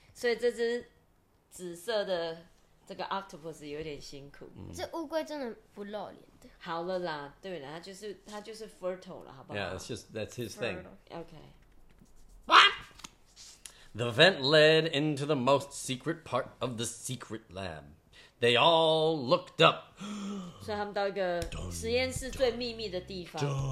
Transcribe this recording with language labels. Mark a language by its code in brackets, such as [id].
[zh] 所以这只紫色的这个 octopus 有点辛苦。这乌龟真的不露脸的。好了啦，对了，他就是 fertile 了，好不好？ [en] Yeah, that's his thing. Okay. The vent led into the most secret part of the secret lab. They all looked up. [zh] 所以他们到一个实验室最秘密的地方。